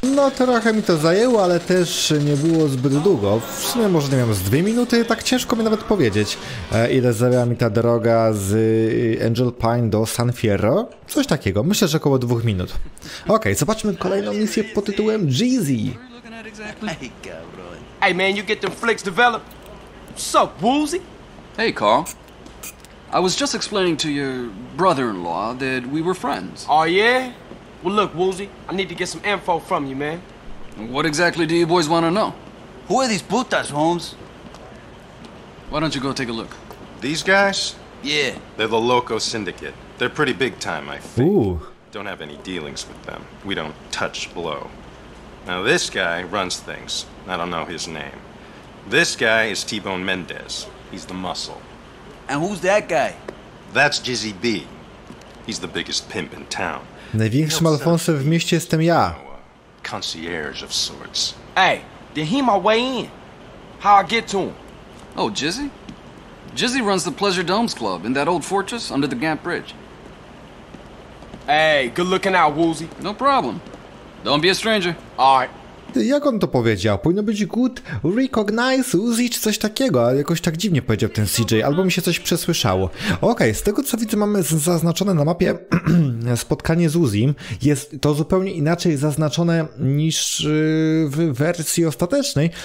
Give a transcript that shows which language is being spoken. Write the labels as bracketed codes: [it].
[pl] No trochę mi to zajęło, ale też nie było zbyt długo. W sumie może nie miałem z 2 minuty, tak ciężko mi nawet powiedzieć, ile zajęła mi ta droga z Angel Pine do San Fierro. Coś takiego, myślę, że około 2 minut. Okej, zobaczmy kolejną misję pod tytułem Jeezy. [en] Hey man, you get them flicks developed. What's up, Woozy? Hey Carl. I was just explaining to your brother-in-law that we were friends. Oh yeah? Well look, Woozy, I need to get some info from you, man. What exactly do you boys want to know? Who are these putas, Holmes? Why don't you go take a look? These guys? Yeah. They're the Loco Syndicate. They're pretty big time, I think. Ooh. Don't have any dealings with them. We don't touch blow. Now this guy runs things. I don't know his name. This guy is T-Bone Mendez. He's the muscle. And who's that guy? That's Jizzy B. He's the biggest pimp in town. [pl] Największym Alfonsem w mieście jestem ja. [en] Concierge of sorts. Hey, then he my way in. How I get to him? Oh, Jizzy? Jizzy runs the Pleasure Domes Club in that old fortress under the Gant Bridge. Hey, good looking out, Woozy. No problem. Don't be a stranger. All right. [pl] Jak on to powiedział? Powinno być [en] good, recognize, [pl] Uzi czy coś takiego, ale jakoś tak dziwnie powiedział ten CJ, albo mi się coś przesłyszało. Okej, okay, z tego co widzę mamy zaznaczone na mapie spotkanie z Uzim, jest to zupełnie inaczej zaznaczone niż w wersji ostatecznej.